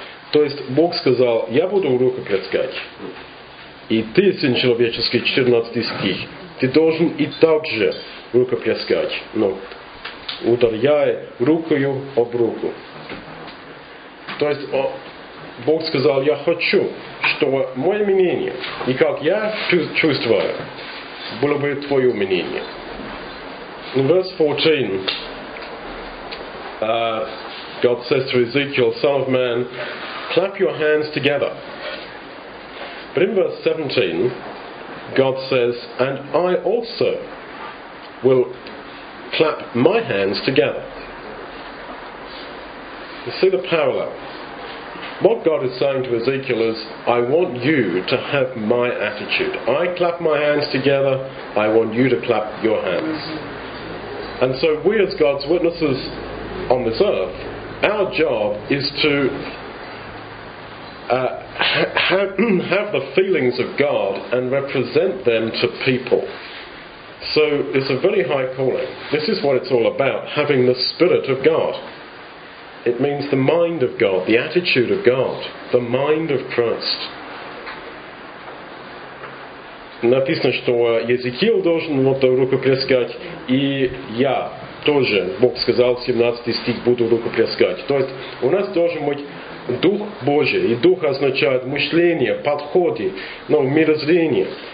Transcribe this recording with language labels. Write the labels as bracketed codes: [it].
[ru] То есть Бог сказал, я буду рукоплескать. И ты, сын человеческий, 14 стих, ты должен и так же рукоплескать. Ну, ударяй рукою об руку. То есть Бог сказал, я хочу, чтобы мое мнение, и как я чувствую, было бы твое мнение. [en] Verse 14, God says to Ezekiel, son of man, clap your hands together. But in verse 17, God says, and I also will clap my hands together. You see the parallel. What God is saying to Ezekiel is, I want you to have my attitude. I clap my hands together, I want you to clap your hands. And so we as God's witnesses on this earth, our job is to have the feelings of God and represent them to people. So it's a very high calling. This is what it's all about, having the Spirit of God. It means the mind of God, the attitude of God, the mind of Christ. [ru] Написано, что Езекиил должен вот рукоплескать, и я тоже, Бог сказал, 17 стих, буду рукоплескать. То есть у нас должен быть Дух Божий, и Дух означает мышление, подходы, ну, мирозрение.